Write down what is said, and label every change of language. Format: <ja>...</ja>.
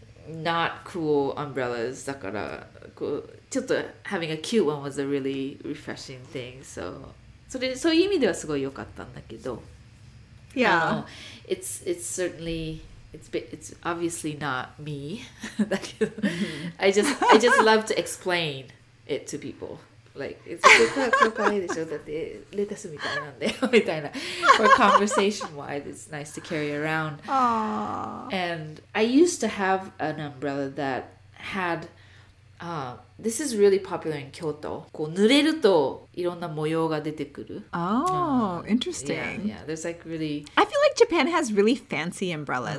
<en>Not cool umbrellas,</en> <ja>だから、こう、ちょっと</ja> <en>having a cute one was a really refreshing thing.</en> <ja>So, そういう意味ではすごい良かったんだけど。</ja> <en>Yeah. It's obviously not me.</en> <ja>だけど、</ja> <en>I just love to explain it to people. Like, it's super</en> <ja>かわいいでしょ? だって、レタスみたいなんだよ、みたいな。</ja> <en>For conversation-wise, it's nice to carry around. Aww. And I used to have an umbrella that had... this is really popular in Kyoto.</en> <ja>こう、濡れるといろんな模様が出てくる。</ja> <en>Oh, interesting. Yeah, there's like really... I feel like Japan has really fancy umbrellas.</en>